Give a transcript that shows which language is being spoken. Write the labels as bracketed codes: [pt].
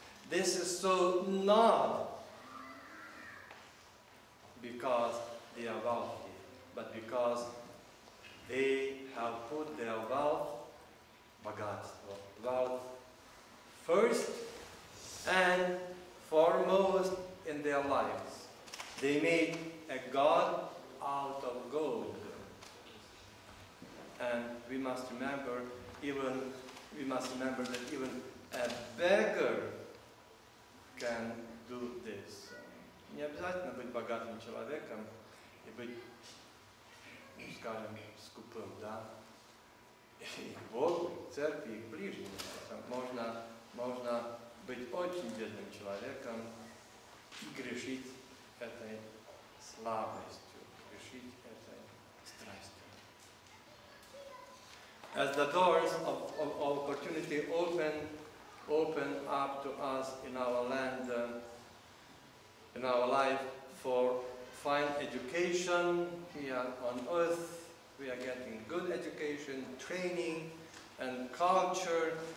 [en] This is so not because they are wealthy, but because they have put their wealth, God's wealth, first and foremost in their lives. They made a god out of gold. And we must remember, that even a beggar can do this. [ru] Не обязательно быть богатым человеком и быть, скажем, скупым, да? И к Богу, и к церкви, и к ближнему. Можно, быть очень бедным человеком и грешить этой слабостью, грешить этой страстью. [en] As the doors of opportunity open up to us in our land, in our life for fine education here on earth, we are getting good education, training, and culture.